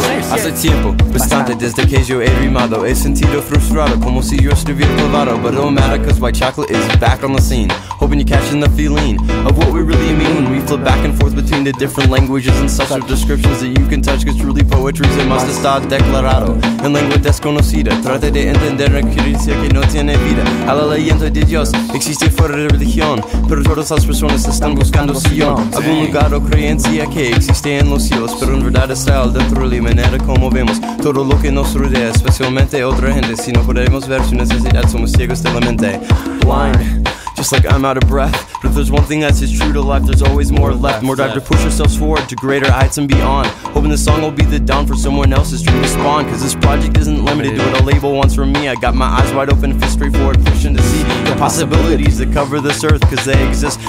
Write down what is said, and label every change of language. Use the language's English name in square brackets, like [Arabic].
[Spanish] hace tiempo, bastante, desde que yo he rimado. He sentido frustrado, como si yo estuviera clavado. [English] But it don't matter, cause white chocolate is back on the scene. Hoping you're catching the feeling of what we really mean when we flip back and forth between the different languages and such of descriptions that you can touch, cause truly poetry's a must [Spanish] estar declarado en lengua desconocida. Trate de entender la creencia que no tiene vida. A la leyenda de Dios existe fuera de religión, pero todas las personas están buscando sillón. Algún lugar o creencia que existe en los cielos, pero en verdad está dentro de la manera como vemos todo lo que nos rodea, especialmente otra gente. Si no podemos ver su necesidad, somos ciegos de la mente. [English] Blind. Just like I'm out of breath. But if there's one thing that's as true to life, there's always more left. More drive to push yourselves forward to greater heights and beyond. Hoping this song will be the dawn for someone else's dream to spawn. Cause this project isn't limited to what a label wants from me. I got my eyes wide open, feet straight forward, pushing to see the possibilities that cover this earth, cause they exist.